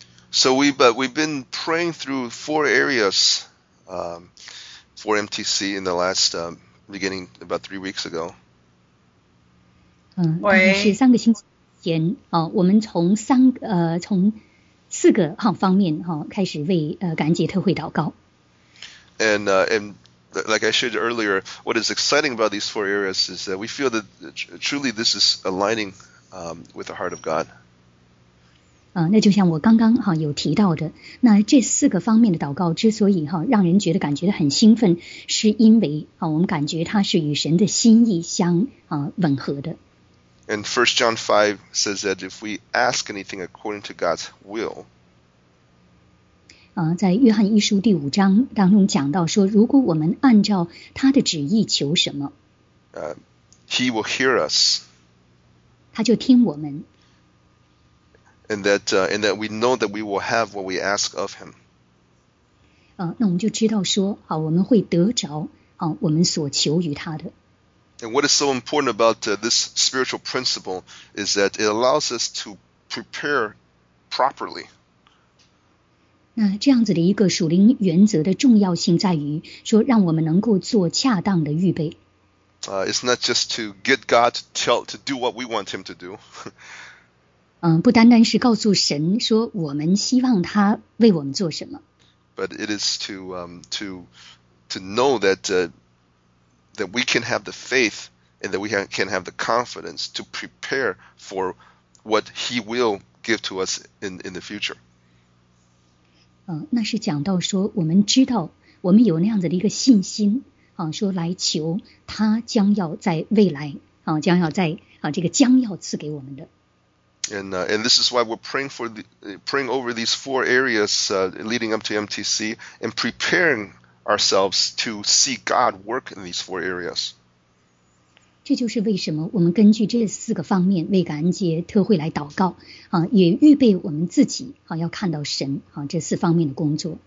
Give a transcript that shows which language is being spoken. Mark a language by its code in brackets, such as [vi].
[en] So we've been praying through four areas, for MTC in the last beginning about 3 weeks ago. [zh] 是上个星期前我们从从四个方面开始为感恩节特会祷告。 [en] And like I shared earlier, what is exciting about these four areas is that we feel that truly this is aligning with the heart of God. [zh] 那就像我刚刚有提到的，那这四个方面的祷告之所以让人觉得感觉很兴奋，是因为我们感觉它是与神的心意相吻合的。 [en] And 1 John 5 says that if we ask anything according to God's will, [zh] 在约翰一书第五章当中讲到说，如果我们按照他的旨意求什么 [en] ，He will hear us， [zh] 他就听我们。 [en] And that we know that we will have what we ask of Him。 [zh] 那我们就知道说，我们会得着我们所求于他的。 [en] And what is so important about this spiritual principle is that it allows us to prepare properly. [zh] 那这样子的一个属灵原则的重要性在于说让我们能够做恰当的预备。 [en] It's not just to get God to do what we want him to do. [zh] 不单单是告诉神说我们希望他为我们做什么。 [en] But it is to know that we can have the faith and that we can have the confidence to prepare for what he will give to us in the future. [zh] 那是讲到说我们知道我们有那样子的一个信心说来求他将要在未来将要在这个将要赐给我们的。 [en] And this is why we're praying over these four areas leading up to MTC and preparing ourselves to see God work in these four areas. [zh] 这就是为什么我们根据这四个方面为感恩节特会来祷告也预备我们自己要看到神这四方面的工作。